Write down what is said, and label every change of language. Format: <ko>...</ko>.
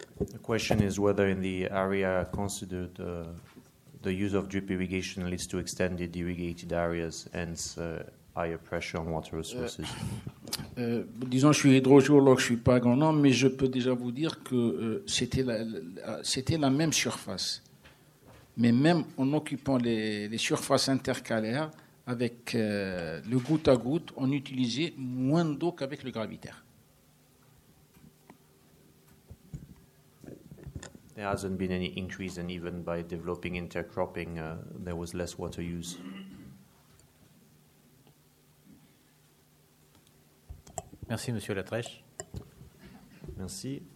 <en>The question is whether in the area considered the use of drip irrigation leads to extended irrigated areas and higher pressure on water resources.</en> <fr>Disons, je suis hydrogéologue, je ne suis pas agronome, mais je peux déjà vous dire que c'était la même surface. Mais même en occupant les surfaces intercalaires, avec le goutte à goutte, on utilisait moins d'eau qu'avec le gravitaire.</fr> <en>There hasn't been any increase, and even by developing intercropping, there was less water use.</en> <fr>Merci, Monsieur Latrèche. Merci.</fr>